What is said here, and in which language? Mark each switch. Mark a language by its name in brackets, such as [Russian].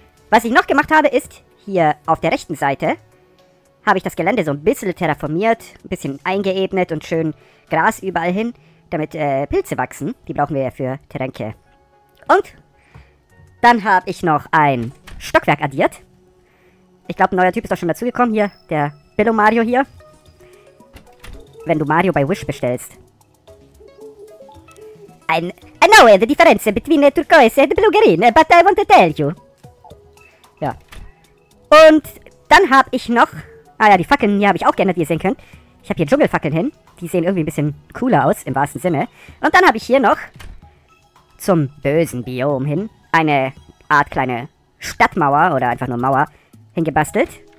[German] Was ich noch gemacht habe, ist, hier auf der rechten Seite habe ich das Gelände so ein bisschen terraformiert, ein bisschen eingeebnet und schön Gras überall hin, damit Pilze wachsen. Die brauchen wir ja für Tränke. Und dann habe ich noch ein Stockwerk addiert. Ich glaube, ein neuer Typ ist auch schon dazugekommen hier, der Billo Mario hier. Wenn du Mario bei Wish bestellst. [English] I know the difference between the turquoise and the blue green, but I want to tell you. [German] Ja. Und dann habe ich noch... Ah ja, die Fackeln hier habe ich auch geändert, wie ihr sehen könnt. Ich habe hier Dschungelfackeln hin. Die sehen irgendwie ein bisschen cooler aus, im wahrsten Sinne. Und dann habe ich hier noch zum bösen Biom hin eine Art kleine Stadtmauer oder einfach nur Mauer hingebastelt.